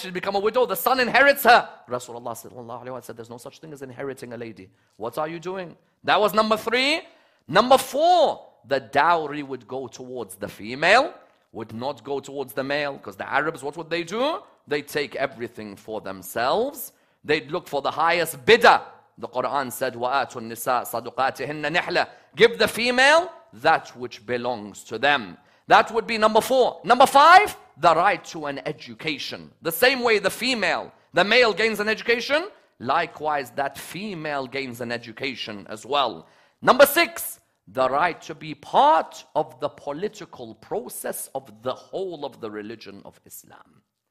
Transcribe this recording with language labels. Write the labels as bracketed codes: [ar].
[en] She's become a widow. The son inherits her. Rasulullah sallallahu alayhi wa sallam, there's no such thing as inheriting a lady. What are you doing? That was number three. Number four, the dowry would go towards the female, would not go towards the male. Because the Arabs, what would they do? They take everything for themselves. They'd look for the highest bidder. The Quran said, [ar] وَآتُ النِّسَاءَ صَدُقَاتِهِنَّ نِحْلَةً. [en] Give the female that which belongs to them. That would be number four. Number five, the right to an education. The same way the male gains an education, likewise that female gains an education as well. Number six, the right to be part of the political process of the whole of the religion of Islam.